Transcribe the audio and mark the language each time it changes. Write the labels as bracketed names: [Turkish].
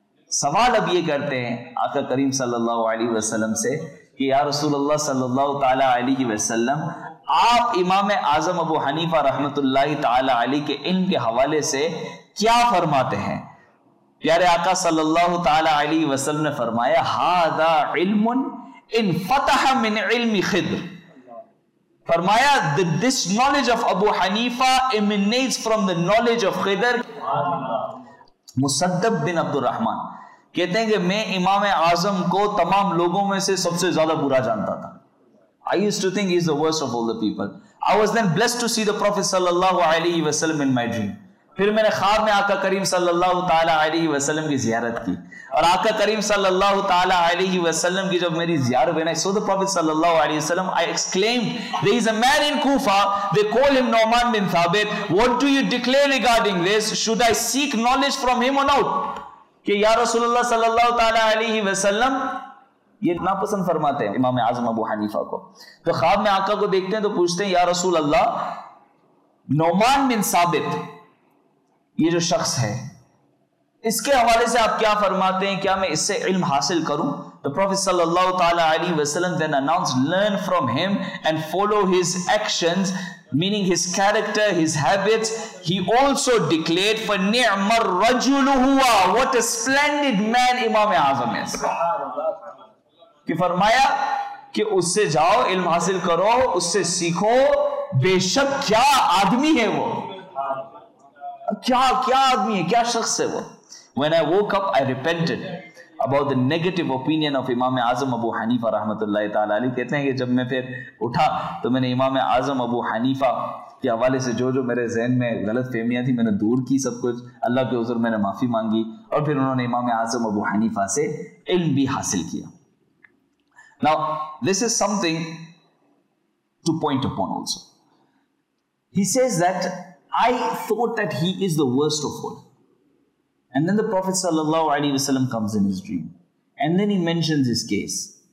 [Urdu] سوال اب یہ کرتے ہیں آقا کریم صلی اللہ علیہ وسلم سے کہ یا رسول اللہ صلی اللہ تعالی علیہ وسلم آپ امام اعظم ابو حنیفہ رحمت اللہ تعالی علیہ کے علم کے حوالے سے کیا فرماتے ہیں؟ پیارے آقا صلی اللہ تعالی علیہ وسلم نے فرمایا [Arabic] ہذا علم انفتح من علم خضر, [Urdu] فرمایا [English] that this knowledge of Abu Hanifa emanates from the knowledge of Khidr. [Urdu] مصدب بن عبد الرحمن کہتے ہیں کہ میں امام اعظم کو تمام لوگوں میں سے سب سے زیادہ برا جانتا تھا. [English] I used to think he is the worst of all the people. I was then blessed to see the Prophet صلی اللہ علیہ وسلم in my dream. [Urdu] پھر میں نے خواب میں آقا کریم صلی اللہ تعالی علیہ وسلم کی زیارت کی, اور آقا کریم صلی اللہ تعالی علیہ وسلم کی جب میری زیارت ہوئی, [English] I saw the Prophet صلی اللہ علیہ وسلم, I exclaimed, there is a man in Kufa, they call him Nu'man bin Thabit, what do you declare regarding this, should I seek knowledge from him or not? [Urdu] کہ یا رسول اللہ صلی اللہ تعالی علیہ وسلم یہ ناپسند فرماتے ہیں امام اعظم ابو حنیفہ کو, تو خواب میں آقا کو دیکھتے ہیں تو پوچھتے ہیں یا رسول اللہ نعمان بن ثابت یہ جو شخص ہے اس کے حوالے سے آپ کیا فرماتے ہیں, کیا میں اس سے علم حاصل کروں؟ [English] The Prophet صلی اللہ تعالی علیہ وسلم then announced, learn from him and follow his actions, meaning his character, his habits. He also declared, [Arabic] فَنِعْمَ الرَّجُلُ هُوَا, [English] what a splendid man امام اعظم is. [Urdu] کہ فرمایا کہ اس سے جاؤ علم حاصل کرو, اس سے سیکھو, بے شک کیا آدمی ہے وہ, کیا آدمی ہے, کیا شخص ہے وہ. [English] When I woke up, I repented about the negative opinion of Imam Azam Abu Hanifa رحمت اللہ تعالیٰ علیہ. [Urdu] کہتے ہیں کہ جب میں پھر اٹھا تو میں نے امام اعظم ابو حنیفہ کے حوالے سے جو میرے ذہن میں غلط فہمیاں تھیں میں نے دور کی سب کچھ, اللہ کے حضور میں نے معافی مانگی, اور پھر انہوں نے امام اعظم ابو حنیفہ سے علم بھی حاصل کیا. [English] Now, this is something to point upon also. He says that I thought that he is the worst of all. And then the Prophet sallallahu alaihi wasallam comes in his dream. And then he mentions his case.